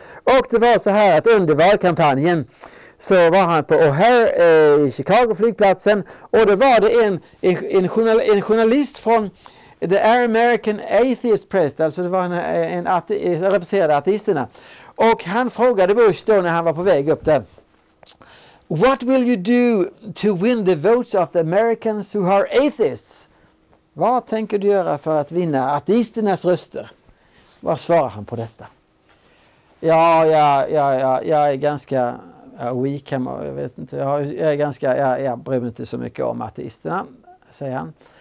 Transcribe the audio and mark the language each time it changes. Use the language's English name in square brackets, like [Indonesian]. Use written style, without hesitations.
[Swedish] Och det var så här att under valkampanjen så var han på O'Hare i Chicago flygplatsen, och det var det en journalist från The American Atheist Press, alltså det var en representerade ateisterna. Och han frågade Bush då när han var på väg upp där. [English] What will you do to win the votes of the Americans who are atheists? [Swedish] Vad tänker du göra för att vinna ateisternas röster? Vad svarar han på detta? Jag är ganska weak, jag vet inte. Jag bryr mig inte så mycket om ateisterna, säger han.